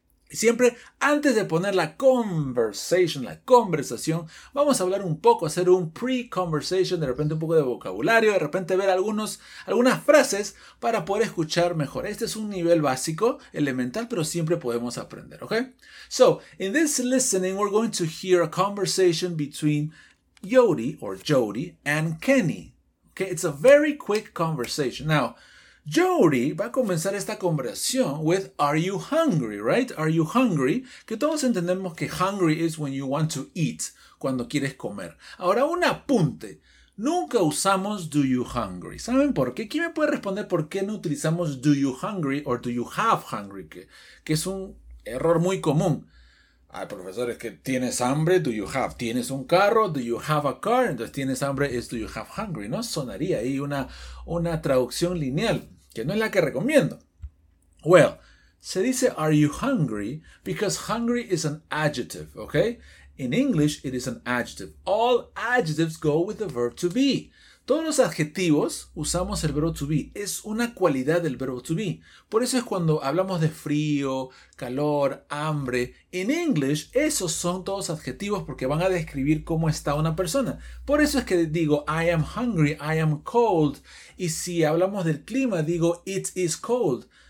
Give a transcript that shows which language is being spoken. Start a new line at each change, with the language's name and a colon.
Spanish: Y siempre antes de poner la conversación, vamos a hablar un poco, hacer un pre-conversation, de repente un poco de vocabulario, de repente ver algunas frases para poder escuchar mejor. Este es un nivel básico, elemental, pero siempre podemos aprender, ¿ok?
English: So, in this listening, we're going to hear a conversation between Jody and Kenny. Okay, it's a very quick conversation. Now, Jody
Spanish: va a comenzar esta conversación
English: with "Are you hungry?", right? Are you hungry?
Spanish: Que todos entendemos que
English: hungry is when you want to eat,
Spanish: cuando quieres comer. Ahora, un apunte. Nunca usamos
English: "do you hungry".
Spanish: ¿Saben por qué? ¿Quién me puede responder por qué no utilizamos
English: "do you hungry"
Spanish: o
English: "do you have hungry"?
Spanish: Que es un error muy común. Hay profesores que tienes hambre,
English: do you have.
Spanish: Tienes un carro,
English: do you have a car.
Spanish: Entonces tienes hambre, es
English: do you have hungry,
Spanish: ¿no? Sonaría ahí una traducción lineal, que no es la que recomiendo.
English: Well,
Spanish: se dice
English: "are you hungry" because hungry is an adjective, okay? In English, it is an adjective. All adjectives go with the verb to be.
Spanish: Todos los adjetivos usamos el verbo to be. Es una cualidad del verbo to be. Por eso es cuando hablamos de frío, calor, hambre. En English, esos son todos adjetivos porque van a describir cómo está una persona. Por eso es que digo
English: I am hungry, I am cold.
Spanish: Y si hablamos del clima, digo
English: it is cold.